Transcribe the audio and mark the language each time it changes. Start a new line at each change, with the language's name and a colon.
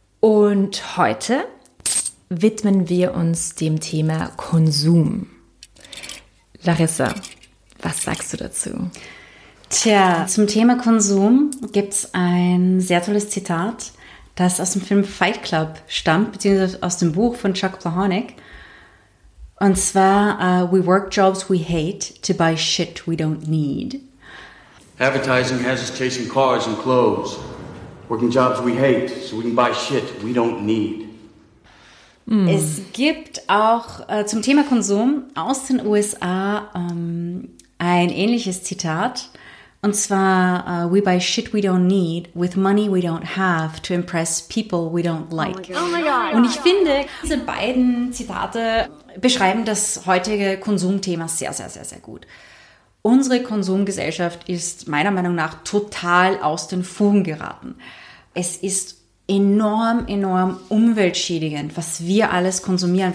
German: Und heute widmen wir uns dem Thema Konsum. Larissa, was sagst du dazu? Tja, zum Thema Konsum gibt es ein sehr tolles Zitat, das aus dem Film Fight Club stammt, beziehungsweise aus dem Buch von Chuck Palahniuk. Und zwar,
English: we work jobs we hate to buy shit we don't need. Advertising has us chasing cars and clothes. Working jobs we hate so we can buy shit we don't need. Mm.
German: Es gibt auch zum Thema Konsum aus den USA ein ähnliches Zitat. Und zwar,
English: we buy shit we don't need with money we don't have to impress people we don't like. Oh my God. Oh my God.
German: Und ich finde, diese beiden Zitate beschreiben das heutige Konsumthema sehr, sehr, sehr, sehr gut. Unsere Konsumgesellschaft ist meiner Meinung nach total aus den Fugen geraten. Es ist enorm, enorm umweltschädigend, was wir alles konsumieren.